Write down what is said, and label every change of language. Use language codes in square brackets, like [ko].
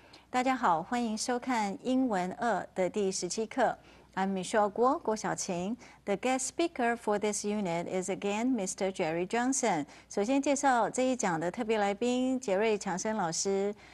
[zh] 大家好，欢迎收看英文二的第十七课。 [en] I'm Michelle Guo, 郭小琴。 The guest speaker for this unit is again Mr. Jerry Johnson. [zh] 首先介绍这一讲的特别来宾，杰瑞·强森老师。